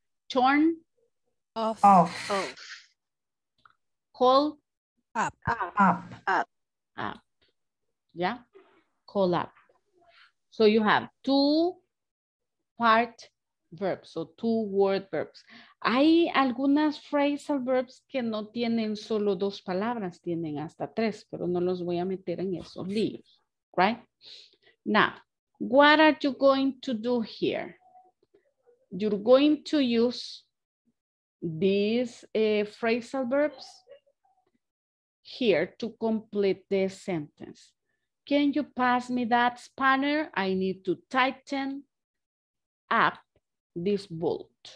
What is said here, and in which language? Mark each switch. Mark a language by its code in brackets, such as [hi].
[en] Torn off. Off. Call up. Up. Up. Up. Yeah. Call up. So you have two part verbs, so two word verbs. [es] Hay algunas phrasal verbs que no tienen solo dos palabras, tienen hasta tres, pero no los voy a meter en esos libros, right? [en] Now, what are you going to do here? You're going to use these phrasal verbs here to complete the sentence. Can you pass me that spanner? I need to tighten up this bolt.